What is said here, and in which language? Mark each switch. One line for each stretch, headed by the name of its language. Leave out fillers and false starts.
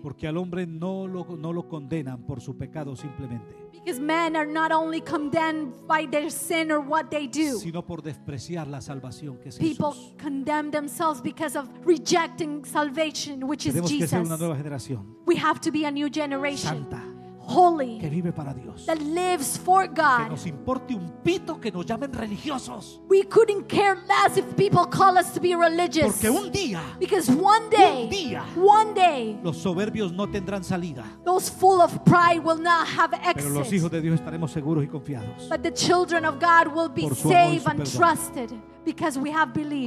Spanish: Porque al hombre no lo condenan por su pecado simplemente.
English: Because men are not only condemned by their sin or what they do,
Spanish: sino por despreciar la salvación que es
English: people
Spanish: Jesús.
English: People condemn themselves because of rejecting salvation, which
Spanish: tenemos
English: is Jesus.
Spanish: Tenemos que ser una nueva generación.
English: We have to be a new generation.
Spanish: Santa.
English: Holy,
Spanish: que vive para Dios.
English: That lives for God.
Spanish: Que nos importe un pito que nos llamen religiosos.
English: We couldn't care less if people call us to be religious.
Spanish: Porque un día,
English: because one day,
Spanish: un día,
English: one day,
Spanish: los soberbios no tendrán salida.
English: Those full of pride will not have exit.
Spanish: Pero los hijos de Dios estaremos seguros y confiados.
English: But the children of God will be safe and trusted because we have believed.